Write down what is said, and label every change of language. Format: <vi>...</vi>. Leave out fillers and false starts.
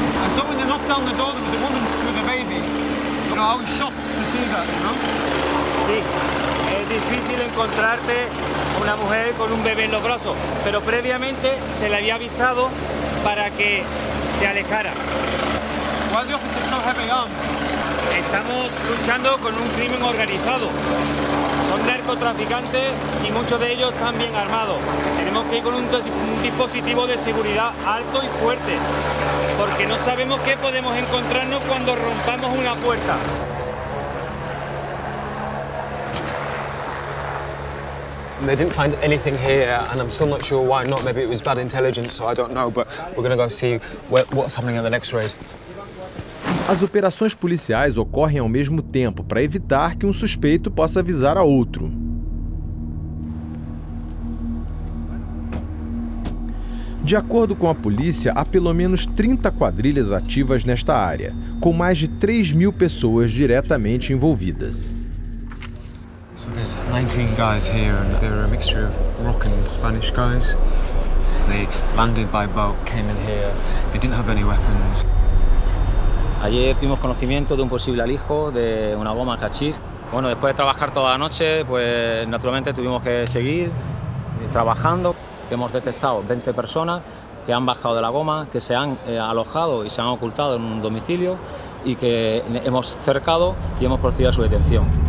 <en>So when they knocked down the door, there was a woman with a baby. You know, I was shocked to see that, you know?</en> <es>Sí. Es difícil encontrarte una mujer con un bebé en los brazos, pero previamente se le había avisado para que se alejara.</es> <en>Why are the officers so heavy armed?</en> <es>Estamos luchando con un crimen organizado. Son narcotraficantes y muchos de ellos están bien armados. Tenemos que ir con un dispositivo de seguridad alto y fuerte, porque no sabemos qué podemos encontrarnos cuando rompamos una puerta.</es> <en>They didn't find anything here, and I'm still not sure why not. Maybe it was bad intelligence, so I don't know, but we're going to go see what's happening in the next raid.</en> <pt>As operações policiais ocorrem ao mesmo tempo para evitar que um suspeito possa avisar a outro. De acordo com a polícia, há pelo menos 30 quadrilhas ativas nesta área, com mais de 3 mil pessoas diretamente envolvidas.</pt> <en>So there's 19 guys here, and they're a mixture of Moroccan and Spanish guys. They landed by boat, came in here. They didn't have any weapons.</en> <es>Ayer tuvimos conocimiento de un posible alijo de una bomba cachir. Bueno, después de trabajar toda la noche, pues naturalmente tuvimos que seguir trabajando. Hemos detectado 20 personas que han bajado de la goma, que se han alojado y se han ocultado en un domicilio y que hemos cercado y hemos procedido a su detención.</es>